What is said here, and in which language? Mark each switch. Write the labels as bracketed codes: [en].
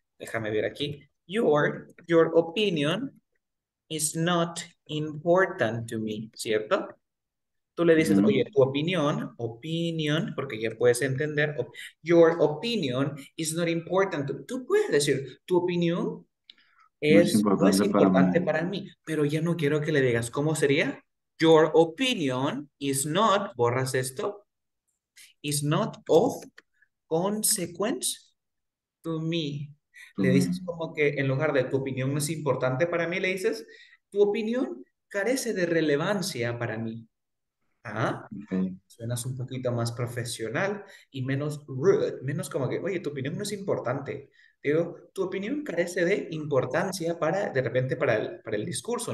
[es] Déjame ver aquí. [en] Your opinion is not important to me, [es] ¿cierto? Tú le dices, oye, tu opinión, porque ya puedes entender, [en] your opinion is not important. [es] Tú puedes decir, tu opinión No es no es importante para importante mí. para mí, pero ya no quiero que le digas, ¿cómo sería? [en] Your opinion is not, [es] borras esto, [en] is not of consequence to me. [es] Le dices como que en lugar de tu opinión no es importante para mí, le dices, tu opinión carece de relevancia para mí. ¿Ah? [en] Okay. [es] Suenas un poquito más profesional y menos rude, menos como que, oye, tu opinión no es importante. Digo, tu opinión carece de importancia para, de repente, para el discurso.